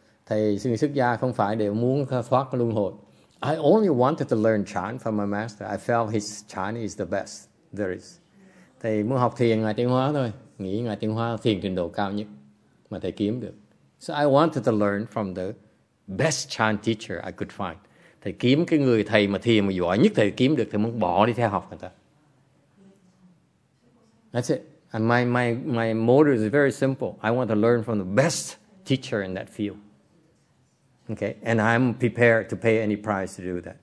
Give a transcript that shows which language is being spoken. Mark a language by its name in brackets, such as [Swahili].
[Vietnamese] Thầy người xuất gia không phải để muốn thoát luân hồi. [English] I only wanted to learn Chan from my master. I felt his Chan is the best there is. [Vietnamese] Thầy muốn học thiền Ngài Tiếng Hóa thôi. Nghĩ Ngài Tiếng Hóa thiền trình độ cao nhất mà thầy kiếm được. [English] So I wanted to learn from the best Chan teacher I could find. [Vietnamese] Thầy kiếm cái người thầy mà thiền mà giỏi nhất thầy kiếm được, thầy muốn bỏ đi theo học người ta. [English] That's it. And my motive is very simple. I want to learn from the best teacher in that field. Okay? And I'm prepared to pay any price to do that.